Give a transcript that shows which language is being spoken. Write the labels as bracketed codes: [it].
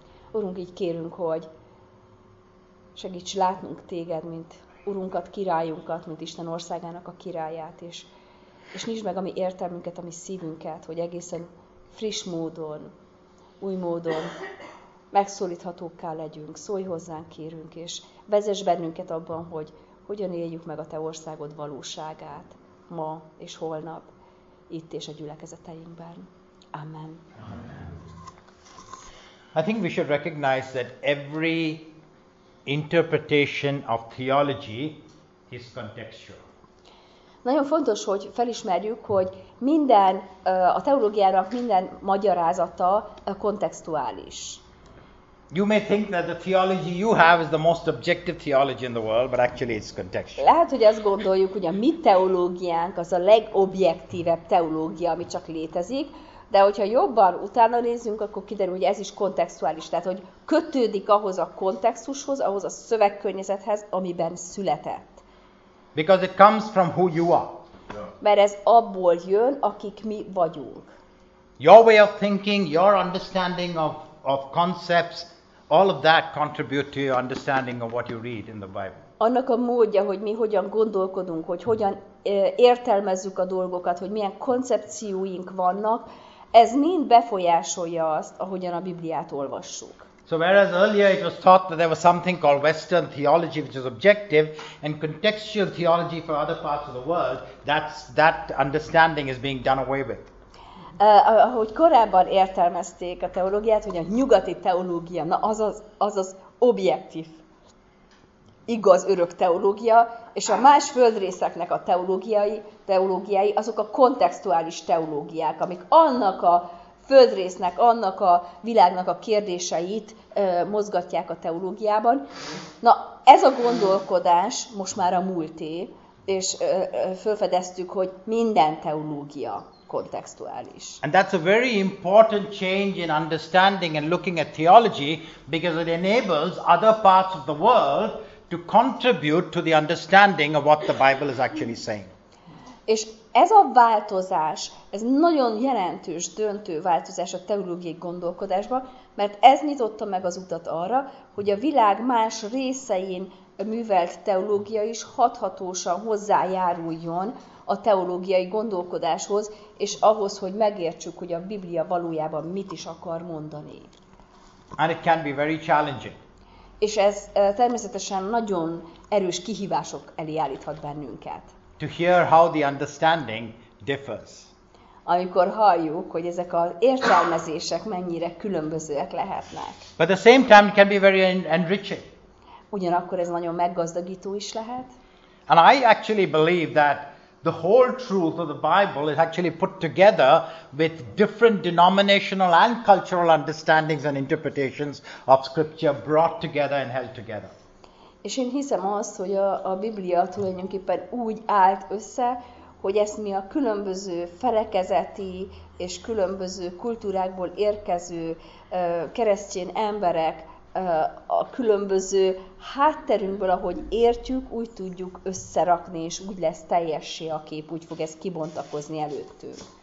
[hu] Urunk, így kérünk, hogy segíts látnunk téged, mint urunkat, királyunkat, mint Isten országának a királyát, és nyisd meg a mi értelmünket, a mi szívünket, hogy egészen friss módon, új módon megszólíthatókká legyünk. Szólj hozzánk, kérünk, és vezess bennünket abban, hogy hogyan éljük meg a te országod valóságát ma és holnap, itt és a gyülekezeteinkben. Amen. Amen. [en] I think we should recognize that every interpretation of theology is contextual. [hu] Nagyon fontos, hogy felismerjük, hogy minden a teológiának minden magyarázata kontextuális. [en] You may think that the theology you have is the most objective theology in the world, but actually it's contextual. [hu] Lehet, hogy azt gondoljuk, hogy a mi teológiánk az a legobjektívebb teológia, ami csak létezik. De hogyha jobban utána nézzünk, akkor kiderül, hogy ez is kontextuális. Tehát, hogy kötődik ahhoz a kontextushoz, ahhoz a szövegkörnyezethez, amiben született. [en] Because it comes from who you are. [hu] Mert ez abból jön, akik mi vagyunk. [en] Your way of thinking, your understanding of concepts, all of that contribute to your understanding of what you read in the Bible. [hu] Annak a módja, hogy mi hogyan gondolkodunk, hogy hogyan értelmezzük a dolgokat, hogy milyen koncepcióink vannak, ez mind befolyásolja azt, ahogyan a Bibliát olvassuk. [en] So whereas earlier it was thought that there was something called Western theology, which is objective, and contextual theology for other parts of the world, that understanding is being done away with. [hu] Ahogy korábban értelmezték a teológiát, hogy a nyugati teológia, na az objektív, igaz örök teológia, és a más földrészeknek a teológiai, azok a kontextuális teológiák, amik annak a földrésznek, annak a világnak a kérdéseit mozgatják a teológiában. Na, ez a gondolkodás most már a múlté, és felfedeztük, hogy minden teológia kontextuális. [en] And that's a very important change in understanding and looking at theology, because it enables other parts of the world to contribute to the understanding of what the Bible is actually saying. [hu] És ez a változás, ez nagyon jelentős, döntő változás a teológiai gondolkodásban, mert ez nyitotta meg az utat arra, hogy a világ más részein művelt teológia is hathatósan hozzájáruljon a teológiai gondolkodáshoz, és ahhoz, hogy megértsük, hogy a Biblia valójában mit is akar mondani. [en] And it can be very challenging. [hu] És ez természetesen nagyon erős kihívások elé állíthat bennünket. [en] To hear how the understanding differs. [hu] Amikor halljuk, hogy ezek az értelmezések mennyire különbözőek lehetnek. [en] But at the same time it can be very enriching. [hu] Ugyanakkor ez nagyon meggazdagító is lehet. [en] And I actually believe that the whole truth of the Bible is actually put together with different denominational and cultural understandings and interpretations of scripture brought together and held together. [hu] És én hiszem azt, hogy a Biblia tulajdonképpen úgy állt össze, hogy ezt mi a különböző felekezeti és különböző kultúrákból érkező keresztény emberek a különböző hátterünkből, ahogy értjük, úgy tudjuk összerakni, és úgy lesz teljessé a kép, úgy fog ez kibontakozni előttünk.